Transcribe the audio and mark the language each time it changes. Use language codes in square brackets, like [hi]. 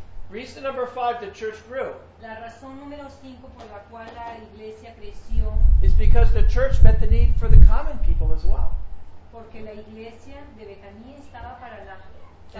[en] Reason number five, the church grew. [es] La razón número cinco por la cual la iglesia creció [en] is because the church met the need for the common people as well. [es] Porque la iglesia de Betania estaba para la, para